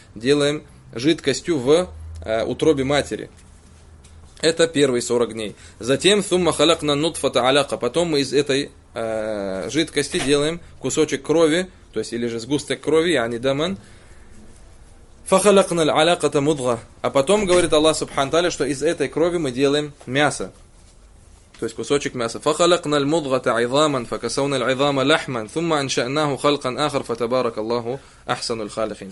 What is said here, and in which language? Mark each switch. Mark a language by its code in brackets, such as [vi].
[ru] Делаем жидкостью в утробе матери. Это первые 40 дней. Затем [ar] ثُمَّ خَلَقْنَا نُطْفَةَ عَلَقَ. [ru] Потом мы из этой жидкости делаем кусочек крови, то есть или же сгусток крови, [ar] يعني دمًا. فَخَلَقْنَا الْعَلَقَةَ مُضْغَةً. [ru] А потом говорит Аллах Субхану Тааля, что из этой крови мы делаем мясо. То есть кусочек мяса. [ar] فَخَلَقْنَا الْمُضْغَةَ عِظَامًا فَكَسَوْنَا الْعِظَامَ لَحْمًا ثُمَّ أَنْشَأْنَاهُ خَلْقًا آخَرَ فَتَبَارَكَ اللَّهُ أَحْسَنُ الْخَالِقِينَ.